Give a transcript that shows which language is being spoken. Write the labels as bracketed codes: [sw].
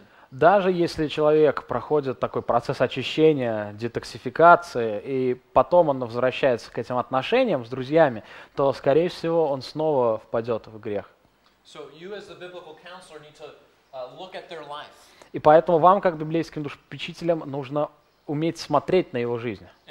[ru] Даже если человек проходит такой процесс очищения, детоксификации, и потом он возвращается к этим отношениям с друзьями, то, скорее всего, он снова впадет в грех. [en] So you, as the biblical counselor, need to look at their life. [ru] И поэтому вам, как библейским душепопечителям, нужно уметь смотреть на его жизнь.